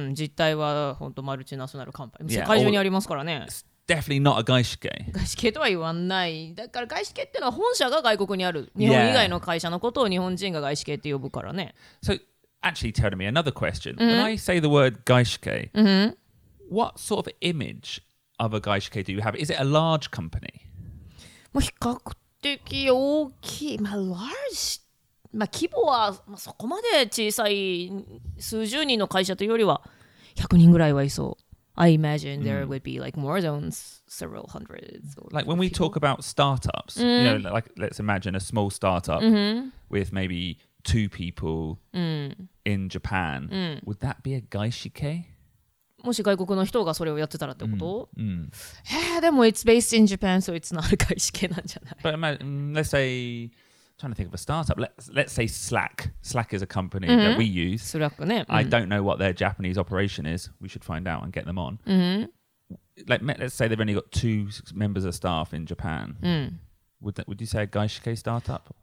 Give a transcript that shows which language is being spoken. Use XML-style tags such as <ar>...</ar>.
<ja>実態は本当マルチナショナルカンパニー。世界中にありますからね。</ja> <en>It's definitely not a 外資系。</en> <ja>外資系とは言わない。だから外資系ってのは本社が外国にある。日本以外の会社のことを日本人が外資系って呼ぶからね。</ja> <en>So, actually, tell me another question. When I say the word 外資系、what sort of image of a 外資系 do you have? Is it a large company?</en> <ja>比較的大きい。まあ、large? まあ、規模は、まあ、そこまで小さい数十人の会社というよりは100人ぐらいはいそう。</ja> <en>I imagine there would be like more than several hundreds. Like when we talk about startups,、you know, like let's imagine a small startup、with maybe two people、in Japan,、would that be a gaishike?</en> <ja>もし外国の人がそれをやってたらってこと、で</ja> <en>も it's based in Japan, so it's not a gaishike</en> <ja>なんじゃない?</ja> <en>But imagine, let's say... Trying to think of a startup. Let's say Slack. Slack is a company、that we use. Slack, ね、 I don't know what their Japanese operation is. We should find out and get them on.、let's say they've only got two members of staff in Japan.、Would you say a 外資系 startup?</en>